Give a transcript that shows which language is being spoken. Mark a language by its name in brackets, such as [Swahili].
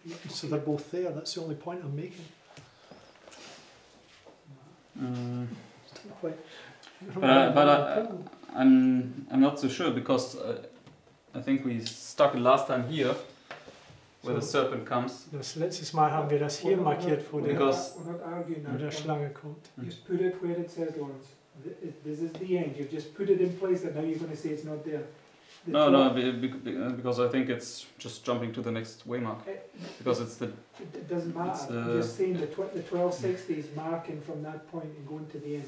[English] So they're both there. That's the only point I'm making. I'm not so sure, because I think we stuck last time here, where so the serpent comes. [German] Das letzte Mal haben wir das hier markiert, wo der Schlange kommt. [English] Just put it where it says, Lawrence. This is the end. You've just put it in place, and now you're going to say it's not there. No, because I think it's just jumping to the next way mark. Because it's the... It doesn't matter. You're just saying the 1260 is marking from that point and going to the end.